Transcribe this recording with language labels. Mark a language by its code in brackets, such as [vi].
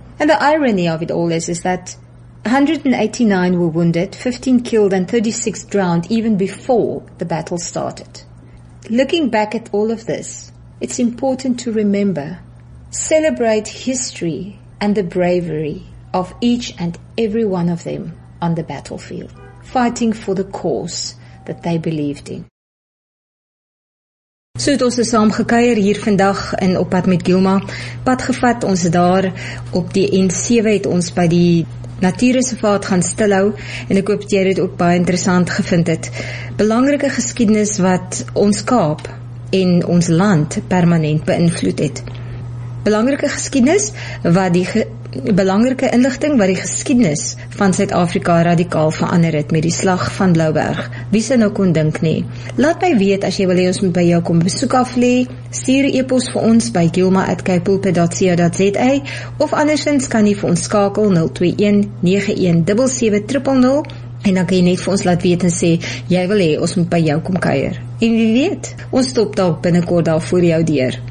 [en] And the irony of it all is that 189 were wounded, 15 killed and 36 drowned even before the battle started. Looking back at all of this, it's important to remember, celebrate history and the bravery of each and every one of them on the battlefield, fighting for the cause that they believed in. [af] So het ons saam gekuier hier vandag in Op Pad met Gilma. Pad gevat ons daar op die N7 het ons by die natuurreservaat gaan stilhou en ek hoop dat jy dit ook baie interessant gevind het. Belangrike geskiedenis wat ons Kaap en ons land permanent beïnvloed het. Belangrike inligting wat die geskiedenis van Suid-Afrika radikaal verander het met die slag van Blouberg. Wie sy nou kon dink nie? Laat my weet as jy wil hê ons moet by jou kom besoek aflê. Stuur e-pos vir ons by gilma@kaapulpit.co.za of andersins kan jy vir ons skakel 021-9177-000 en dan kan jy net vir ons laat weet en sê jy wil hê ons moet by jou kom kuier. En wie weet, ons stop dalk binnenkort daar voor jou deur.